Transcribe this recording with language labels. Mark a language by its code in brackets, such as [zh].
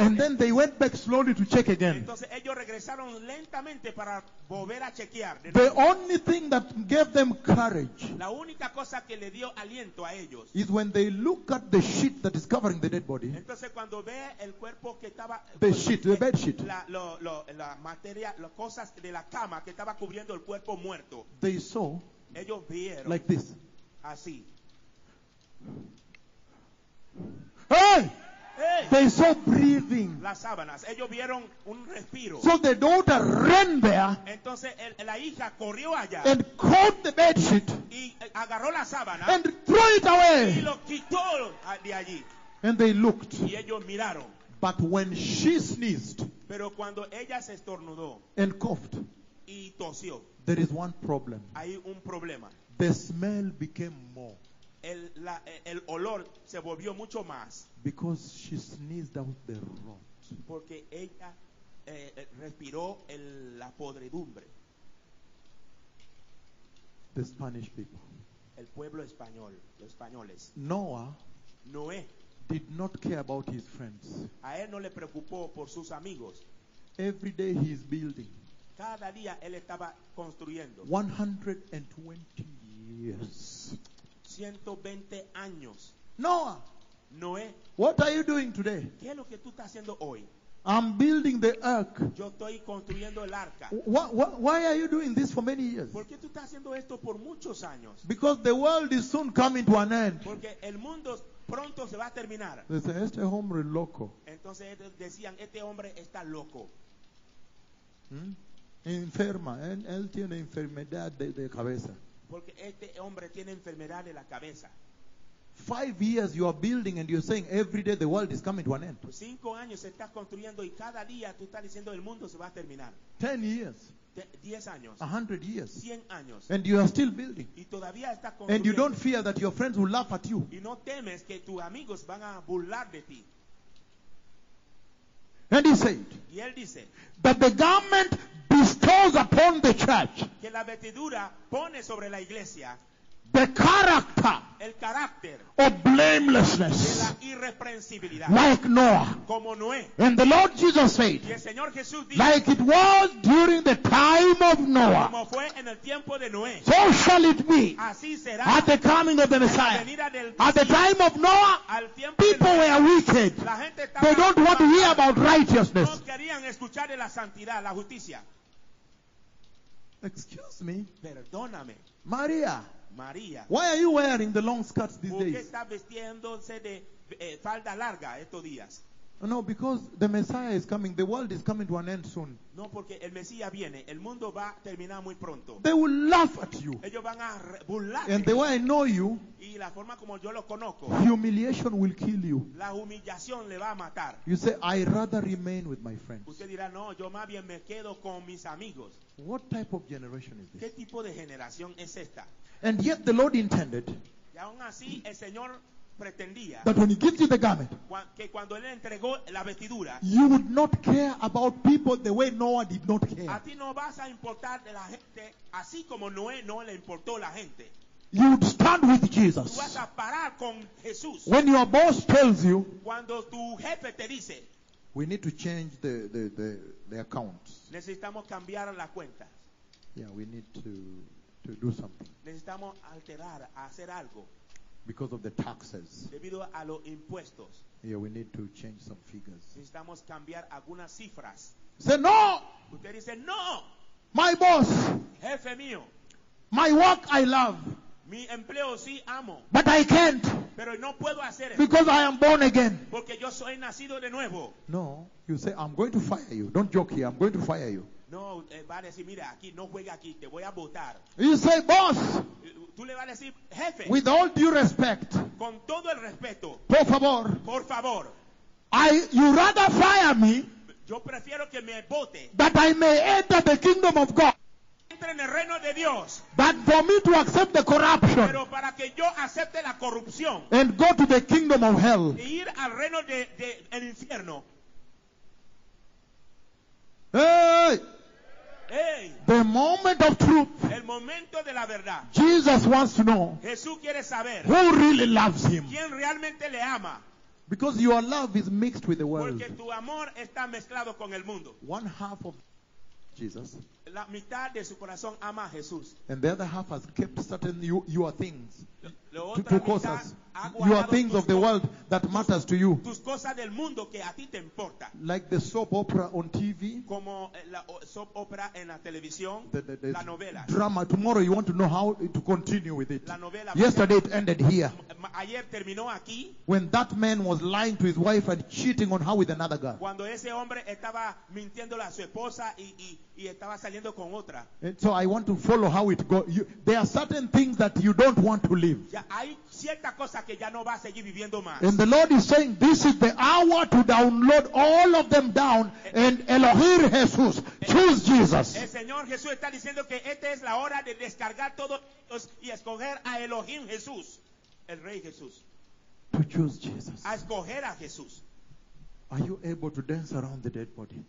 [en] And then they went back slowly to check again. [es] Entonces ellos regresaron lentamente para volver a chequear. [en] The only thing that gave them courage. [es] La única cosa que le dio aliento a ellos. [en] Is when they look at the sheet that is covering the dead body. [es] Entonces cuando ve el cuerpo que estaba. [en] The sheet, the bed sheet. [es] La materia, las cosas de la cama que estaba cubriendo el cuerpo muerto. [en] They saw. [es] Ellos vieron. [en] Like this. [es] Así. Hey! Hey! [en] They saw breathing. [es] las sábanas. Ellos vieron un respiro. [en] So the daughter ran there. [es] Entonces la hija corrió allá. [en] And caught the bed sheet. [es] Y agarró la sábana. [en] And threw it away. [es] Y lo quitó de allí. [en] And they looked. [es] Y ellos miraron. [en] But when she sneezed. [es] Pero cuando ella se estornudó. [en] And coughed. [es] Y tosió. [en] There is one problem. [es] Hay un problema. [en] The smell became more. [es] El olor se volvió mucho más. [en] Because she sneezed out the rot. [es] Porque ella respiró la podredumbre. [en] The Spanish people. [es] El pueblo español, los españoles. [en] Noah. [es] Noé. [en] Did not care about his friends. [es] A él no le preocupó por sus amigos. [en] Every day he is building. [es] Cada día él estaba construyendo. [en] 120 years. [es] 120 años. [en] Noah. [es] Noé. [en] What are you doing today? [es] ¿Qué es lo que tú estás haciendo hoy? [en] I'm building the ark. [es] Yo estoy construyendo el arca. [en] Why are you doing this for many years? [es] ¿Por qué tú estás haciendo esto por muchos años? [en] Because the world is soon coming to an end. [es] Porque el mundo pronto se va a terminar. [en] They say, [es] este hombre loco. Entonces decían, este hombre está loco. Enferma. Él tiene enfermedad de cabeza. Porque este hombre tiene enfermedad de la cabeza. [en] 5 years you are building and you're saying every day the world is coming to an end. [es] 5 años se está construyendo y cada día tú estás diciendo el mundo se va a terminar. [en] 10 years. [es] 10 años. [en] 100 years. [es] 100 años. [en] And you are still building. [es] Y todavía está construyendo. [en] And you don't fear that your friends will laugh at you. [es] Y no temes que tus amigos van a burlar de ti. [en] And he said. [es] Y él dice. [en] That the garment bestows upon the church. [es] Que la vestidura pone sobre la iglesia. [en] The character, [es] el carácter, [en] of blamelessness, [es] de la irreprensibilidad, [en] like Noah, [es] como Noé, [en] and the Lord Jesus said, [es] y el Señor Jesús dijo, [en] like it was during the time of Noah, [es] como fue en el tiempo de Noé, [en] so shall it be, [es] así será, [en] at the coming of the Messiah, [es] la venida del [en] at the time of Noah, [es] al tiempo [en] people [es] de Noé, [en] were wicked, [es] la gente estaba, [en] they don't want to hear about righteousness, [es] no querían escuchar de la santidad, la justicia. [en] Excuse me, [es] perdóname, María. María. [en] Why are you wearing the long skirts these days? [es] ¿Por qué está vestiéndose de falda larga estos días? [en] No, because the Messiah is coming. The world is coming to an end soon. [es] No, porque el Mesías viene. El mundo va a terminar muy pronto. [en] They will laugh at you. [es] Ellos van a burlar. [en] And the way I know you. [es] Y la forma como yo los conozco. [en] Humiliation will kill you. [es] La humillación le va a matar. [en] You say, I rather remain with my friends. [es] Usted dirá, no, yo más bien me quedo con mis amigos. [en] What type of generation is this? [es] ¿Qué tipo de generación es esta? [en] And yet the Lord intended. [es] Y aún así el Señor pretendía [en] that when he gives you the garment, [es] que cuando él entregó la vestidura, [en] you would not care about people the way Noah did not care. [es] A ti no vas a importar de la gente así como Noé no le importó la gente. [en] You would stand with Jesus. [es] Tú vas a parar con Jesús. [en] When your boss tells you, [es] cuando tu jefe te dice, [en] we need to change the accounts. [es] Necesitamos cambiar las cuentas. [en] Yeah, we need to do something. [es] Necesitamos alterar, hacer algo. [en] Because of the taxes. [es] Debido a los impuestos. [en] Yeah, we need to change some figures. [es] Necesitamos cambiar algunas cifras. [en] Say no. [es] Usted dice no. [en] My boss. [es] Jefe mío. [en] My work I love. [es] Mi empleo sí amo. [en] But I can't. [es] Pero no puedo hacer. [en] Because I am born again. [es] Porque yo soy nacido de nuevo. [en] No, you say I'm going to fire you. Don't joke here. I'm going to fire you. [es] No, va a decir, mira, aquí no juega aquí, te voy a botar. [en] You say, boss. [es] Tú le vas a decir, jefe. [en] With all due respect. [es] Con todo el respeto. Por favor. Por favor. [en] You rather fire me. [es] Yo prefiero que me bote. [en] That I may enter the kingdom of God. [es] Entre en el reino de Dios. [en] But for me to accept the corruption. [es] Pero para que yo acepte la corrupción. [en] And go to the kingdom of hell. [es] Y ir al reino de el infierno. Hey. Hey. [en] The moment of truth. [es] El momento de la verdad. [en] Jesus wants to know. [es] Jesús quiere saber. [en] Who really loves him? [es] ¿Quién realmente le ama? [en] Because your love is mixed with the world. [es] Porque tu amor está mezclado con el mundo. [en] One half of Jesus. [es] La mitad de su corazón ama a Jesús. [en] And the other half has kept certain your things. two cosas. Your things of the world that matters to you. [es] Tus cosas del mundo que a ti te importa. [en] Like the soap opera on TV. [es] Como la soap opera en la televisión. [en] The [es] la novela. [en] Drama. Tomorrow you want to know how to continue with it. [es] La novela. [en] Yesterday it ended here. [es] Ayer terminó aquí. [en] When that man was lying to his wife and cheating on her with another girl. [es] Cuando ese hombre estaba mintiéndole a su esposa y estaba saliendo con otra. [en] And so I want to follow how it go. You, there are certain things that you don't want to live. [es] Ya hay cierta cosa que ya no va a seguir viviendo más. [en] And the Lord is saying, this is the hour to download all of them down and Elohim Jesus, choose Jesus. [es] El Señor Jesús está diciendo que esta es la hora de descargar todos y escoger a Elohim Jesús, el Rey Jesús. [en] To choose Jesus. [es] A escoger a Jesús. [en] Are you able to dance around the dead body?